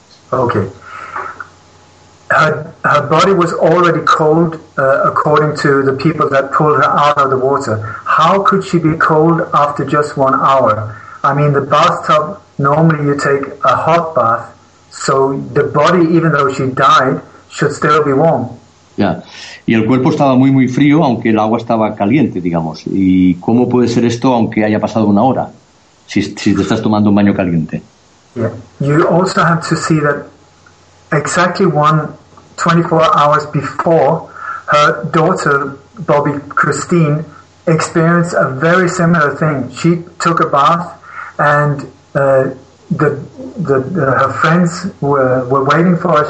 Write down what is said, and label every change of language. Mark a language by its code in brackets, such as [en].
[en] Okay. Her body was already cold, according to the people that pulled her out of the water. How could she be cold after just 1 hour? I mean, the bathtub, normally you take a hot bath, so the body, even though she died, should still be warm. Yeah. [es] Y el cuerpo estaba muy, muy frío, aunque el agua estaba caliente, digamos. ¿Y cómo puede ser esto, aunque haya pasado una hora, si te estás tomando un baño caliente? [en] Yeah. You also have to see that exactly 24 hours before, her daughter, Bobby Christine, experienced a very similar thing. She took a bath and her friends were waiting for her.